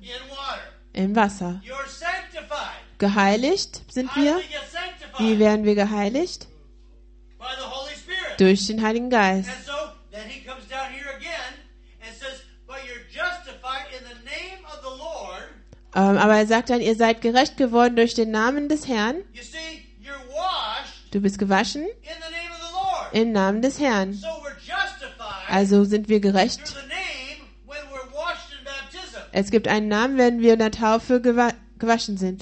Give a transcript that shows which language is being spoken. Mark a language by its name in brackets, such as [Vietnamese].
[English] In water. [German] Im Wasser. [English] You're sanctified. [German] Geheiligt sind wir. [English] How do we get sanctified? [German] Wie werden wir geheiligt? [English] By the Holy Spirit. [German] Durch den Heiligen Geist. [English] And so, then he comes down here again and says, but you're justified in the name of the Lord. [German] Aber er sagt dann, ihr seid gerecht geworden durch den Namen des Herrn. [English] You see, you're washed. [German] Du bist gewaschen. [English] In the name of the Lord. [German] Im Namen des Herrn. [English] So we're justified. [German] Also sind wir gerecht. [English] Through the name when we're washed in baptism. [German] Es gibt einen Namen, wenn wir in der Taufe gewaschen sind.